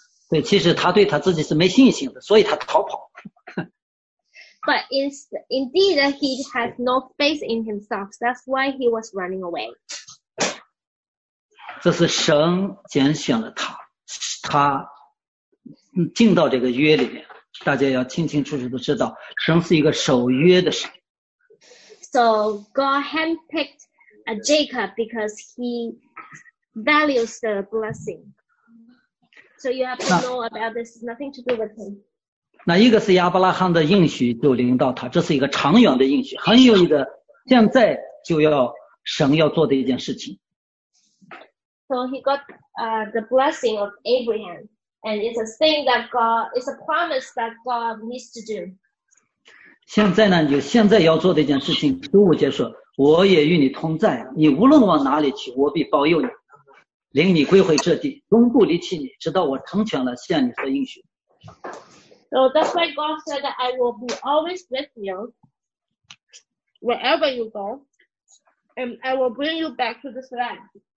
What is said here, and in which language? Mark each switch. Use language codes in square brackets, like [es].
[zh] 对，其实他对他自己是没信心的，所以他逃跑。 [en] But indeed, he has no faith in himself. That's why he was running away. [zh] 这是神拣选了他，他进到这个约里面。大家要清清楚楚的知道，神是一个守约的神。 [en] So God handpicked Jacob because he values the blessing. So you have to know about this. Nothing to do with him. [zh] 那一个是亚伯拉罕的应许就临到他，这是一个长远的应许，很有一个现在就要神要做的一件事情。 [en] So he got the blessing of Abraham, and it's a thing that God, it's a promise that God needs to do. [zh] 现在呢，就现在要做的一件事情，十五节说：“我也与你同在，你无论往哪里去，我必保佑你。” 领你归回这地，永不离弃你，直到我成全了向你的应许。 [en] So that's why God said that I will be always with you, wherever you go, and I will bring you back to this land.